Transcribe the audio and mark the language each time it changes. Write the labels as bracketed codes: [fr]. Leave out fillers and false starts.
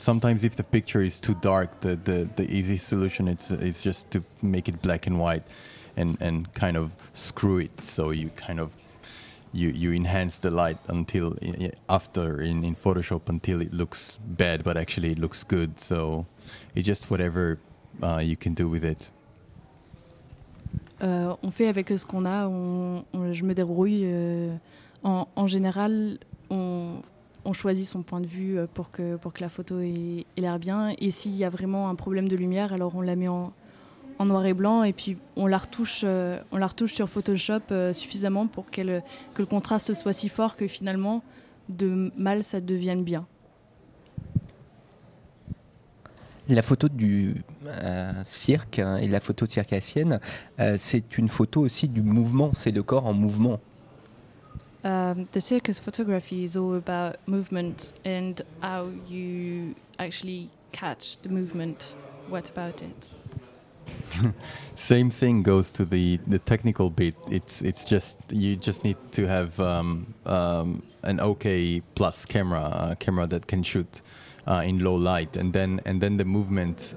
[en] Sometimes if the picture is too dark, the easy solution is just to make it black and white, and kind of screw it. So you kind of you enhance the light until after in Photoshop until it looks bad, but actually it looks good. So it's just whatever you can do with it. [fr] On fait avec ce qu'on a, je me débrouille. En général, on choisit son point de vue pour que la photo ait l'air bien. Et s'il y a vraiment un problème de lumière, alors on la met en noir et blanc et puis on la retouche sur Photoshop suffisamment pour que le contraste soit si fort que finalement, de mal, ça devienne bien. La photo du cirque et la photo circassienne, c'est une photo aussi du mouvement, c'est le corps en mouvement. [en] The circus photography is all about movement and how you actually catch the movement. What about it? Same thing goes to the technical bit. It's just you just need to have an okay plus camera, a camera that can shoot in low light, and then the movement.